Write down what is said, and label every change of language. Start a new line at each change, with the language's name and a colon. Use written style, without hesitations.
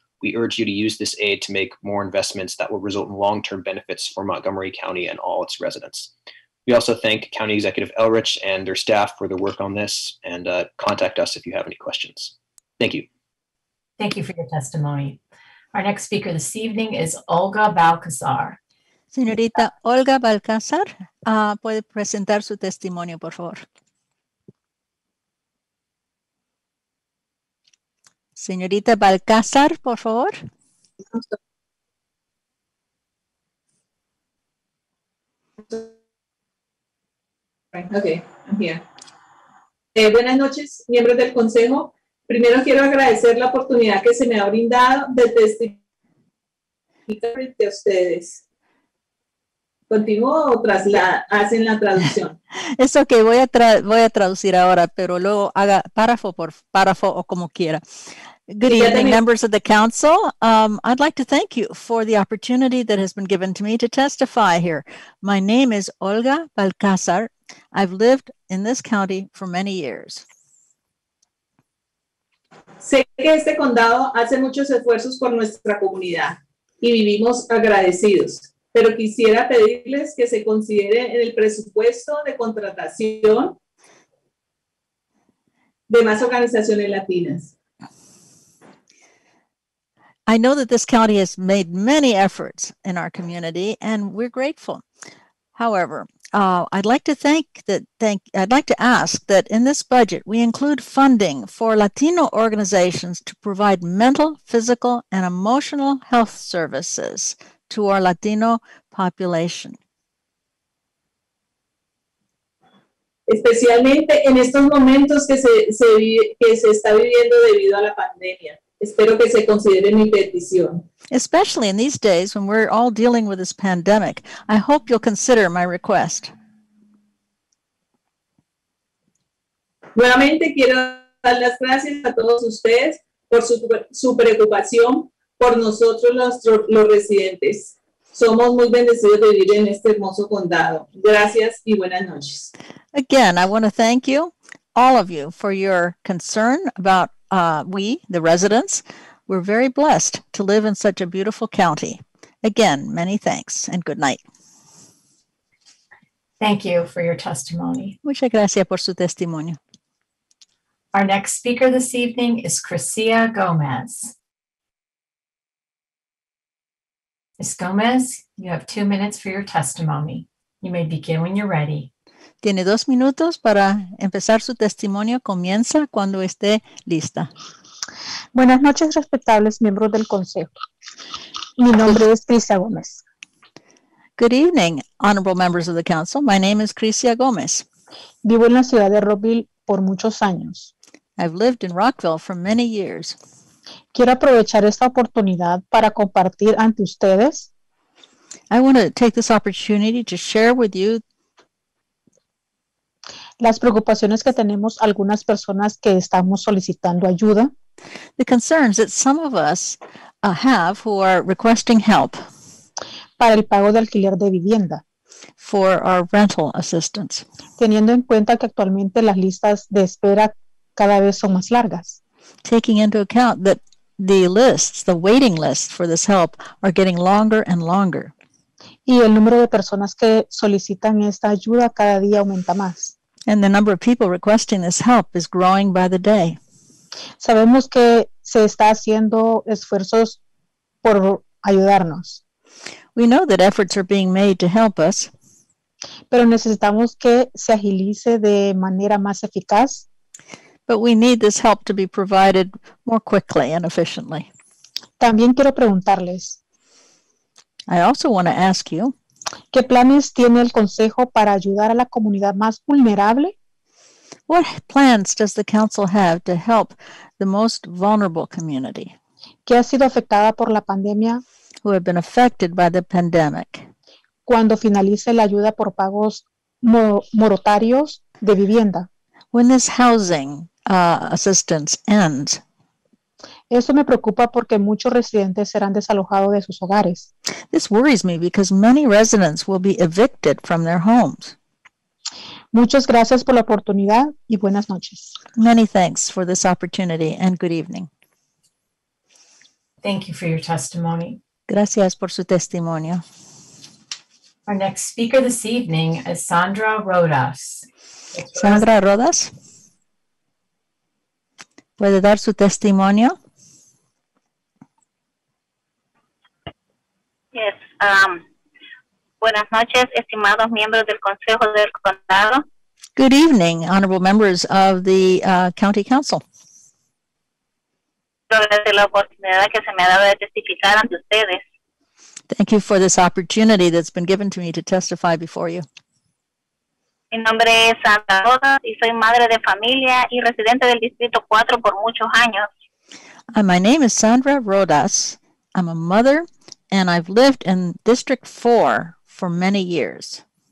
English: We urge you to use this aid to make more investments that will result in long-term benefits for Montgomery County and all its residents. We also thank County Executive Elrich and their staff for their work on this, and contact us if you have any questions. Thank you. Thank you for your testimony. Our next speaker this evening is Olga Balcazar.
Spanish: Señorita Olga Balcazar, puede presentar su testimonio, por favor. Señorita Balcázar, por favor.
English: Okay, I'm here.
Spanish: Buenas noches, miembros del Consejo. Primero quiero agradecer la oportunidad que se me ha brindado de testificar frente a ustedes. ¿Continúo o hacen la traducción? Es ok, voy a traducir ahora, pero luego haga párrafo por párrafo o como quiera.
English: Good evening, members of the council. I'd like to thank you for the opportunity that has been given to me to testify here. My name is Olga Balcázar. I've lived in this county for many years.
Spanish: Sé que este condado hace muchos esfuerzos por nuestra comunidad y vivimos agradecidos, pero quisiera pedirles que se considere en el presupuesto de contratación de más organizaciones latinas.
English: I know that this county has made many efforts in our community, and we're grateful. However, I'd like to ask that in this budget, we include funding for Latino organizations to provide mental, physical, and emotional health services to our Latino population.
Spanish: Especialmente en estos momentos que se está viviendo debido a la pandemia. Espero que se considere mi petición.
English: Especially in these days when we're all dealing with this pandemic, I hope you'll consider my request.
Spanish: Nuevamente quiero dar las gracias a todos ustedes por su preocupación por nosotros los residentes. Somos muy bendecidos de vivir en este hermoso condado. Gracias y buenas noches.
English: Again, I want to thank you, all of you, for your concern about we, the residents, we're very blessed to live in such a beautiful county. Again, many thanks and good night. Thank you for your testimony.
Spanish: Muchas gracias por su testimonio.
English: Our next speaker this evening is Crisia Gomez. Ms. Gomez, you have 2 minutes for your testimony. You may begin when you're ready.
Spanish: Tiene 2 minutos para empezar su testimonio. Comienza cuando esté lista. Buenas noches, respetables miembros del Consejo. Mi nombre es Crisia Gomez.
English: Good evening, honorable members of the council. My name is Crisia Gomez.
Spanish: Vivo en la ciudad de Rockville por muchos años.
English: I've lived in Rockville for many years.
Spanish: Quiero aprovechar esta oportunidad para compartir ante ustedes.
English: I want to take this opportunity to share with you
Spanish: las preocupaciones que tenemos algunas personas que estamos solicitando ayuda.
English: The concerns that some of us have who are requesting help.
Spanish: Para el pago de alquiler de vivienda.
English: For our rental assistance.
Spanish: Teniendo en cuenta que actualmente las listas de espera cada vez son más largas.
English: Taking into account that the waiting lists for this help are getting longer and longer.
Spanish: Y el número de personas que solicitan esta ayuda cada día aumenta más.
English: And the number of people requesting this help is growing by the day.
Spanish: Sabemos que se está haciendo esfuerzos por ayudarnos.
English: We know that efforts are being made to help us.
Spanish: Pero necesitamos que se agilice de manera más eficaz.
English: But we need this help to be provided more quickly and efficiently.
Spanish: También quiero preguntarles.
English: I also want to ask you.
Spanish: ¿Qué planes tiene el Consejo para ayudar a la comunidad más vulnerable?
English: What plans does the Council have to help the most vulnerable community?
Spanish: ¿Qué ha sido afectada por la pandemia?
English: Who have been affected by the pandemic.
Spanish: ¿Cuándo finalice la ayuda por pagos moratorios de vivienda?
English: When this housing assistance ends.
Spanish: Eso me preocupa porque muchos residentes serán desalojados de sus hogares.
English: This worries me because many residents will be evicted from their homes.
Spanish: Muchas gracias por la oportunidad y buenas noches.
English: Many thanks for this opportunity and good evening. Thank you for your testimony.
Spanish: Gracias por su testimonio.
English: Our next speaker this evening is Sandra Rodas. Sandra Rodas.
Spanish: ¿Puede dar su testimonio?
English: Yes.
Spanish: Buenas noches, estimados miembros del Consejo del Condado.
English: Good evening, honorable members of the County Council.
Spanish: agradecer la oportunidad que se me ha dado de testificar ante ustedes.
English: Thank you for this opportunity that's been given to me to testify before you.
Spanish: Mi nombre es Sandra Rodas y soy madre de familia y residente del Distrito 4 por muchos años.
English: My name is Sandra Rodas. I'm a mother and I've lived in District 4 for many years.